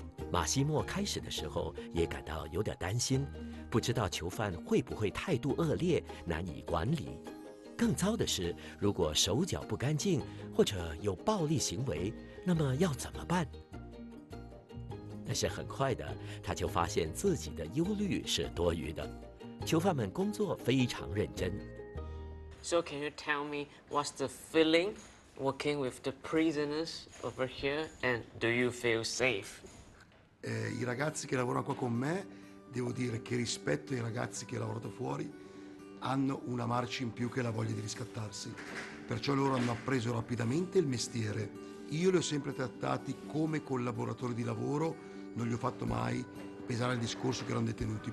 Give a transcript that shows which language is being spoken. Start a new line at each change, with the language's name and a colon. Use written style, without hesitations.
Chinese: 马西莫开始的时候也感到有点担心，不知道囚犯会不会态度恶劣，难以管理。更糟的是，如果手脚不干净或者有暴力行为，那么要怎么办？但是很快的，他就发现自己的忧虑是多余的。囚犯们工作非常认真。
English: So can you tell me what's the feeling working with the prisoners over here, and do you feel safe?
Italian: I ragazzi che lavorano qua con me, devo dire che rispetto ai ragazzi che lavorano fuori, hanno una marcia in più che la voglia di riscattarsi. Perciò loro hanno appreso rapidamente il mestiere. Io li ho sempre trattati come collaboratori di lavoro, non gli ho fatto mai pesare il discorso che erano detenuti.